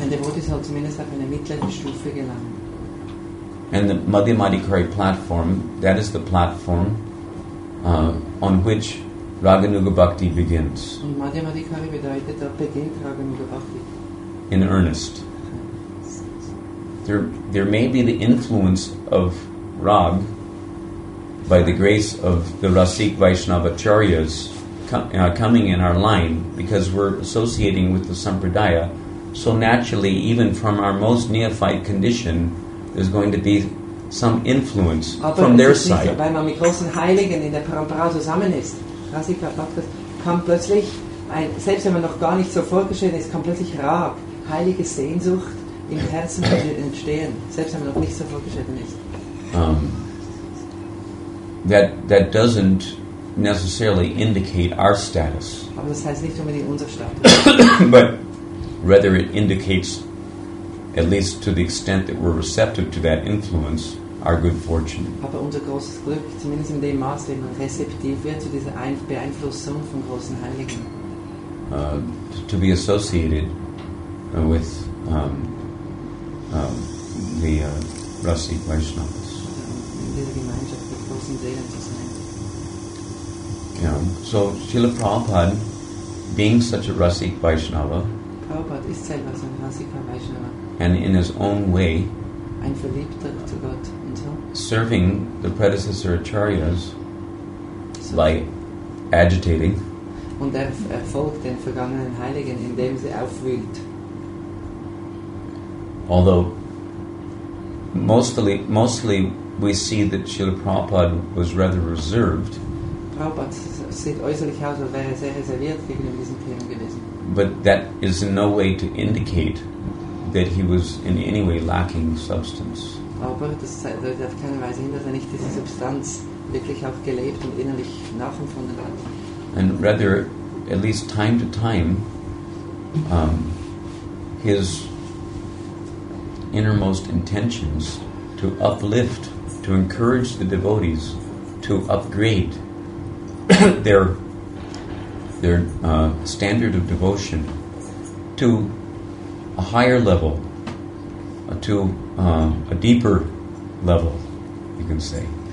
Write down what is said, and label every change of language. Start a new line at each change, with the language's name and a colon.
German: Ein Devotee soll zumindest auf eine mittlere Stufe gelangen.
English: And the Madhyama Adhikari platform, that is the platform on which Raganuga Bhakti begins.
German: Und Madhyama Adhikari bedeutet, dort beginnt Raganuga Bhakti.
English: In earnest. There may be the influence of Rag by the grace of the Rasik Vaishnavacharyas coming in our line, because we're associating with the Sampradaya. So naturally, even from our most neophyte condition, there's going to be some influence
German: aber
English: from their side.
German: Weil man mit großen Heiligen in der Parampara zusammen ist. Rasika Bhaktas, kann plötzlich, selbst wenn man noch gar nicht so vorgeschehen ist, kann plötzlich Rag, heilige Sehnsucht im Herzen entstehen, selbst wenn man noch nicht so vorgeschehen ist.
English: That doesn't necessarily indicate our status.
German: Aber das heißt nicht unbedingt unser Status.
English: But rather it indicates, at least to the extent that we're receptive to that influence, our good fortune.
German: Aber unser großes Glück, zumindest in dem Maß, wenn man rezeptiv wird zu dieser Beeinflussung von großen Heiligen.
English: To be associated with the Rasi Vaishnavas.
German: In dieser Gemeinschaft mit großen Seelen zu sein.
English: Yeah. So Srila Prabhupada, being such a Rasi Vaishnava,
German: Prabhupada ist selber so ein Rasi Vaishnava,
English: and in his own way,
German: ein Verliebter zu Gott.
English: Serving the predecessor acharyas by agitating.
German: Und er folgt den vergangenen Heiligen, indem sie aufwühlt.
English: Although mostly we see that Srila Prabhupada was rather reserved.
German: Prabhupada sieht äußerlich aus, als wäre er sehr reserviert gegenüber diesen Themen gewesen.
English: But that is in no way to indicate that he was in any way lacking substance.
German: Aber das deutet auf keine Weise hin, dass er nicht diese Substanz wirklich auch gelebt und innerlich nachempfunden hat.
English: And rather, at least time to time, his innermost intentions to uplift, to encourage the devotees to upgrade their standard of devotion to a higher level, to a deeper level, you can say.